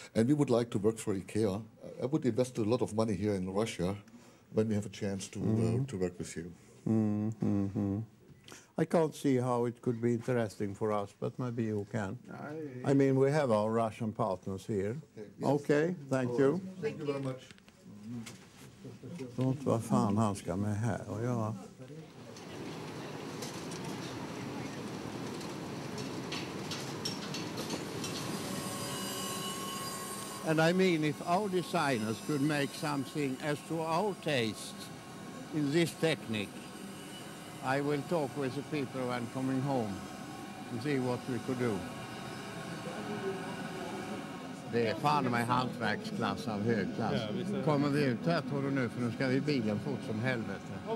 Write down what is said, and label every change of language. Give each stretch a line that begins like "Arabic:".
English: And we would like to work for IKEA. I would invest a lot of money here in Russia when we have a chance to work with you. I can't see how it could be interesting for us, but maybe you can. I mean, we have our Russian partners here. Okay, yes. Okay, thank you. Thank you very much.
Swedish: Don't vad fan han ska med här och göra.
English: And I mean, if our designers could make something as to our taste in this technique, I will talk with the people when coming home and see what we could do.
Swedish: Det är fan med hantverksklass av högklass. Kommer vi ut här tror du nu, för nu ska vi bilen fort som helvete.